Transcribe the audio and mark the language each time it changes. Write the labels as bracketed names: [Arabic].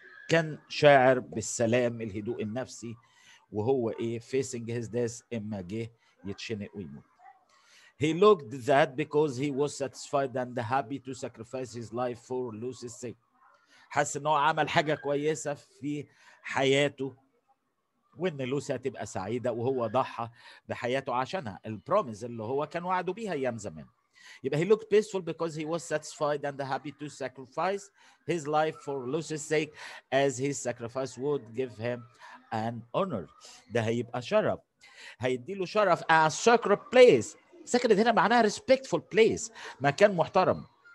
[Arabic] كان شاعر بالسلام الهدوء النفسي وهو ايه [English] facing his death [Arabic] اما جه يتشنق ويموت. [English] He looked that because he was satisfied and happy to sacrifice his life for Lucy's sake. [Arabic] حس ان هو عمل حاجة كويسة في حياته وان لوسي هتبقى سعيدة وهو ضحى بحياته عشانها. البروميز اللي هو كان وعده بيها ايام زمان. يبقى [English] he looked peaceful because he was satisfied and happy to sacrifice his life for Lucy's sake as his sacrifice would give him an honor. [Arabic] ده هيبقى شرف. هيديله شرف [English] a sacred place. [Arabic] سكرت هنا معناها [English] respectful place. [Arabic] مكان محترم.